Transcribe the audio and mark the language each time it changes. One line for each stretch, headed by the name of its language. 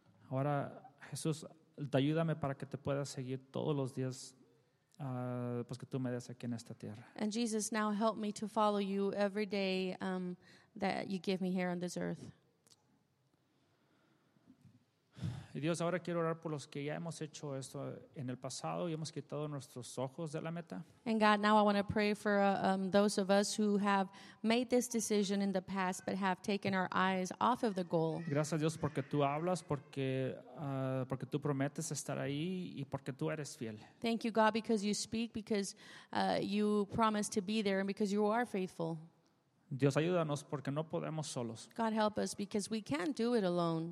Spanish: Ahora, Jesús, ayúdame para que te pueda seguir todos los días, pues que tú me des aquí en esta tierra.
English: And Jesus, now help me to follow you every day that you give me here on this earth.
Spanish: Y Dios, ahora quiero orar por los que ya hemos hecho esto en el pasado y hemos quitado nuestros ojos de la meta.
English: And God, now I want to pray for those of us who have made this decision in the past but have taken our eyes off of the goal.
Spanish: Gracias, Dios, porque tú hablas, porque tú prometes estar ahí y porque tú eres fiel.
English: Thank you, God, because you speak, because you promise to be there and because you are faithful.
Spanish: Dios, ayúdanos porque no podemos solos.
English: God, help us because we can't do it alone.